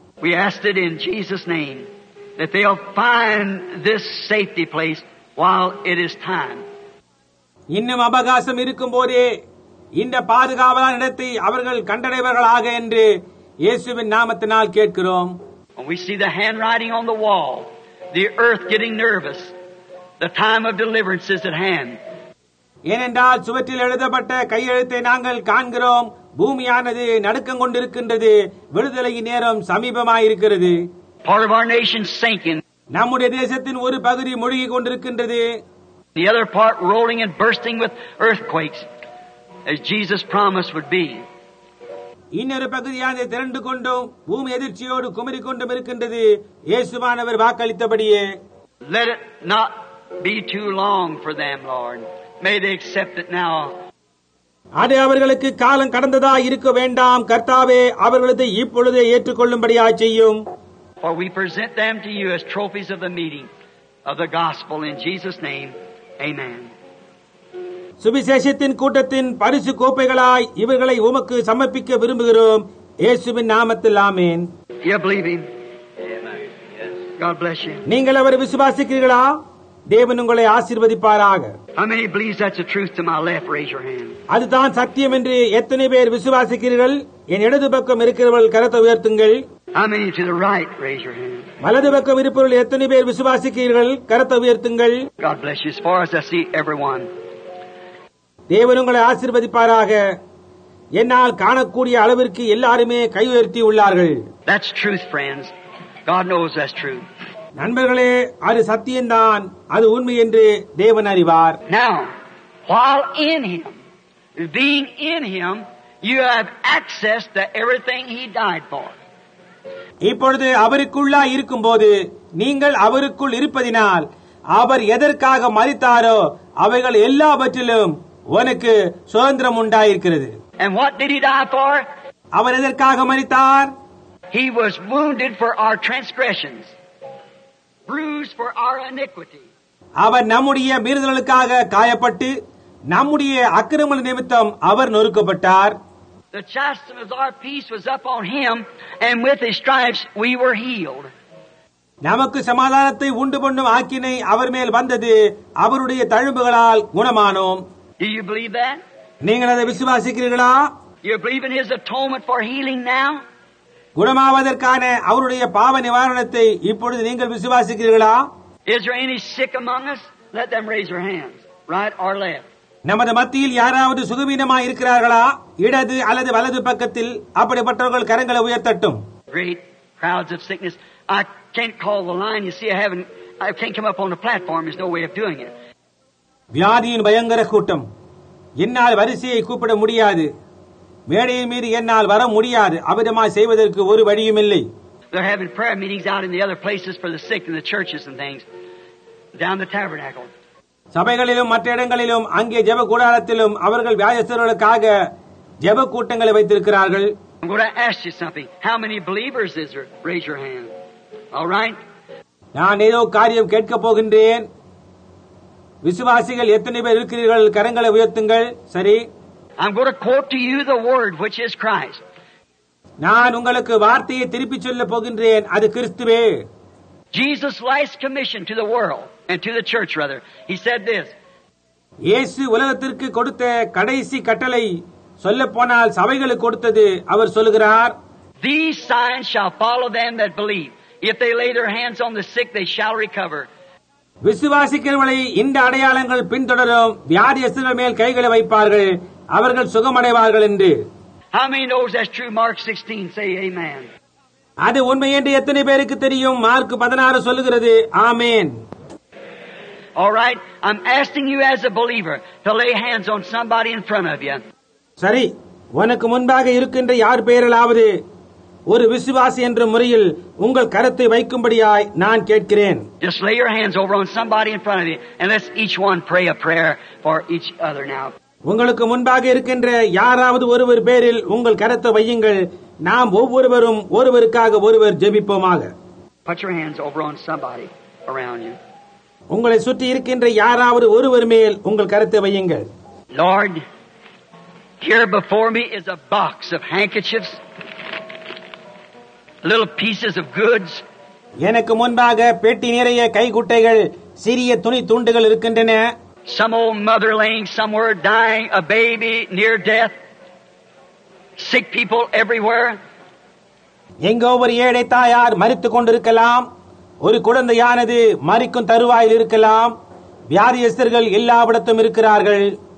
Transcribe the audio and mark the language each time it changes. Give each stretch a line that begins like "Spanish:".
English: We ask it in Jesus' name that they'll find this safety place while it is time.
Tamil: இன்னும் அவகாசம் இருக்கும்போதே இந்த பாதுகாவலான இடத்தை அவர்கள் கண்டடைவர்களாக என்று இயேசுவின் நாமத்தினால் கேட்கிறோம்.
English: When we see the handwriting on the wall, the earth getting nervous, the time of deliverance is at hand.
Tamil: ஏனென்றால் சுவற்றில் எழுதப்பட்ட கையெழுத்தை நாங்கள் காண்கிறோம். பூமியானது நடுக்கம் கொண்டிருக்கின்றது. விடுதலையின் நேரம் சமீபமாயிருக்கிறது.
English: Part of our nation sinking.
Tamil: நம்முடைய தேசத்தின் ஒரு பகுதி முழுகிக் கொண்டிருக்கின்றது.
English: The other part rolling and bursting with earthquakes, as Jesus promised would be.
Tamil: இன்னொரு பகுதியானது திரண்டு கொண்டும், பூமி எதிர்ச்சியோடு குமரிக் கொண்டும் இருக்கின்றது. இயேசுவானவர் வாக்களித்தபடியே.
English: Let it not be too long for them, Lord. May they accept it now.
Tamil: அது அவர்களுக்கு காலம் கடந்ததா இருக்க வேண்டாம். கர்த்தாவே, அவர்களது இப்பொழுதே ஏற்றுக்கொள்ளும்படியா செய்யும்.
English: For we present them to you as trophies of the meeting of the gospel in Jesus' name. Amen.
Tamil: சுவிசேஷத்தின் கூட்டத்தின் பரிசு கோப்பைகளாய் இவர்களை உமக்கு சமர்ப்பிக்க விரும்புகிறோம். இயேசுவின் நாமத்தில் ஆமேன்.
English: You believing? Amen. Yes. God bless you.
Tamil: நீங்கள் அவரை விசுவாசிக்கிறீர்களா? தேவன் உங்களை ஆசீர்வதிப்பாராக.
English: How many believe that's the truth to my left? Raise your hand.
Tamil: அதுதான் சத்தியம் என்று எத்தனை பேர் விசுவாசிக்கிறீர்கள்? என் இடது பக்கம் இருக்கிறவர்கள் கரத்தை உயர்த்துங்கள்.
English: How many to the right? Raise your hand.
Tamil: வலது பக்கம் இருப்பவர்கள் எத்தனை பேர் விசுவாசிக்கிறீர்கள்? கரத்தை உயர்த்துங்கள்.
English: God bless you as far as I see everyone.
Tamil: தேவன் உங்களை ஆசீர்வதிப்பாராக. என்னால் காணக்கூடிய அளவிற்கு எல்லாருமே கை உயர்த்தி உள்ளார்கள்.
English: That's truth, friends. God knows that's true.
Tamil: நண்பர்களே, அது சத்தியம்தான், அது உண்மை என்று தேவன் அறிவார்.
English: Now, while in him, being in him, you have access to everything he died for.
Tamil: இப்பொழுது அவருக்குள்ளா இருக்கும்போது, நீங்கள் அவருக்குள் இருப்பதினால் அவர் எதற்காக மரித்தாரோ அவைகள் எல்லாவற்றிலும் உனக்கு சுதந்திரம் உண்டாயிருக்கிறது.
English: And what did he die for?
Tamil: அவர் எதற்காக மரித்தார்?
English: He was wounded for our transgressions. Bruised for our iniquity.
Tamil: அவர் நம்முடைய மீறுதலுக்காக காயப்பட்டு, நம்முடைய அக்கிரமங்கள் நிமித்தம் அவர் நொறுக்கப்பட்டார்.
English: The chastisement of our peace was upon him, and with his stripes we were healed.
Tamil: நமக்கு சமாதானத்தை உண்டு பண்ணும் ஆக்கினை அவர் மேல் வந்தது. அவருடைய தழும்புகளால் குணமானோம்.
English: Do you believe that?
Tamil: நீங்கள் அதை விசுவாசிக்கிறீர்களா?
English: You believe in his atonement for healing now?
Tamil: குணமாவதற்கான அவருடைய பாவ நிவாரணத்தை இப்பொழுது நீங்கள் விசுவாசிக்கிறீர்களா?
English: Is there any sick among us? Let them raise their hands, right or left.
Tamil: நமது மத்தியில் யாராவது சுகவீனமாக இருக்கிறார்களா? இடது அல்லது வலது பக்கத்தில் அப்படிப்பட்டவர்கள் கரங்களை உயர்த்தட்டும்.
English: Great crowds of sickness. I can't call the line. You see, I can't come up on the platform. There's no way of doing it.
Tamil: வியாதியின் பயங்கர கூட்டம். என்னால் வரிசையை கூப்பிட முடியாது. மேடையின் மீது என்னால் வர முடியாது. அபிதமாய் செய்வதற்கு ஒரு வழியும் இல்லை.
English: They're having prayer meetings out in the other places for the sick and the churches and things. Down the tabernacle.
Tamil: சபைகளிலும் மற்ற இடங்களிலும் அங்கே ஜெப கூடாரத்திலும் அவர்கள் வியாதஸ்தர்களுக்காக ஜெப கூட்டங்களை வைத்திருக்கிறார்கள்.
English: I'm going to ask you something. How many believers is there? Raise your hand. All right.
Tamil: நான் ஏதோ காரியம் கேட்க போகின்றேன். விசுவாசிகள் எத்தனை பேர் இருக்கிறீர்கள்? கரங்களை உயர்த்துங்கள். சரி.
English: I'm going to quote to you the word which is Christ.
Tamil: நான் உங்களுக்கு வார்த்தையை திருப்பி சொல்ல போகின்றேன். அது கிறிஸ்துவே.
English: Jesus Christ's commission to the world and to the church rather. He said this.
Tamil: இயேசு உலகத்திற்கு கொடுத்த கடைசி கட்டளை சொல்ல போனால் சபைகளுக்கு கொடுத்தது. அவர் சொல்கிறார்,
English: These signs shall follow them that believe. If they lay their hands on the sick, they shall recover.
Tamil: விசுவாசிக்கிறவர்களை இந்த அடையாளங்கள் பின்தொடரும். வியாதியஸ்தர்கள் மேல் கைகளை வைப்பார்கள், அவர்கள் சுகமடைவார்கள் என்று.
English: How many knows that's true? Mark 16, say amen.
Tamil: அது உண்மை என்று எத்தனை பேருக்கு தெரியும்? மார்க் 16 சொல்லுகிறது, ஆமேன்.
English: All right, I'm asking you as a believer to lay hands on somebody in front of you.
Tamil: சரி, உனக்கு முன்பாக இருக்கின்ற யார் பெயரிலாவது ஒரு விசுவாசி என்ற முறையில் உங்கள் கரத்தை வைக்கும்படியாய் நான் கேட்கிறேன்.
English: Just lay your hands over on somebody in front of you and let's each one pray a prayer for each other now.
Tamil: உங்களுக்கு முன்பாக இருக்கின்ற யாராவது ஒருவர் பேரில் உங்கள் கரத்தை வையுங்கள். நாம் ஒவ்வொருவரும் ஒருவருக்காக ஒருவர் ஜெபிப்போமாக.
English: Put your hands over on somebody around you.
Tamil: உங்களை சுற்றி இருக்கின்ற யாராவது ஒருவர் மேல் உங்கள் கரத்தை வையுங்கள்.
English: Lord, here before me is a box of handkerchiefs, little pieces of goods.
Tamil: எனக்கு முன்பாக பெட்டி நிறைய கைக்குட்டைகள், சிறிய துணி துண்டுகள் இருக்கின்றன.
English: Some old mother laying somewhere dying, a baby near death, sick people everywhere.
Tamil: எங்கோ ஒரு ஏழை தாயார் மரித்துக் கொண்டிருக்கலாம், ஒரு குழந்தையானது மரிக்கும் தருவாயில் இருக்கலாம், வியாதியஸ்தர்கள் எல்லாவிடத்தும் இருக்கிறார்கள்.